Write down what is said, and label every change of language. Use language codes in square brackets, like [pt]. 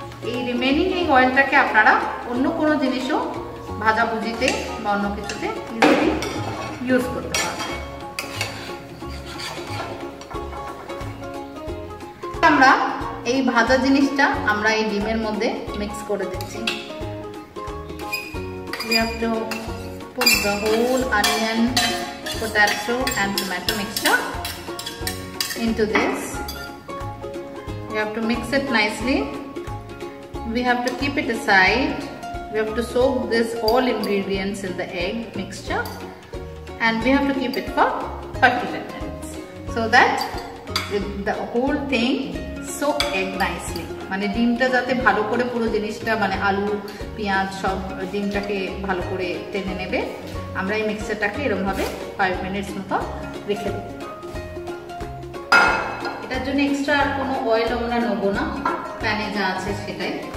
[bn] এই রিমেনিং এই অয়েলটাকে আপনারা অন্য কোনো জিনিসও ভাজা ভুজিতে বা অন্য কিছুতে ইজিলি ইউজ করতে পারেন। আমরা এই ভাজা জিনিসটা আমরা এই ডিমের মধ্যে মিক্স করে দিচ্ছি। [en] We have to put the whole onion, potato and tomato mixture into this. We have to mix it nicely. We have to keep it aside. We have to soak this all ingredients in the egg mixture and we have to keep it for 5 to 10 minutes so that the whole thing soak egg nicely. [bn] মানে ডিমটা যাতে ভালো করে পুরো জিনিসটা মানে আলু পেঁয়াজ সব ডিমটাকে ভালো করে টেনে নেবে, আমরা এই মিক্সারটাকে এরমভাবে 5 মিনিটস মতো রেখে দেবো। এটার জন্য এক্সট্রা আর কোনো অয়েল আমরা নেব না, প্যানে যা আছে সেটাই।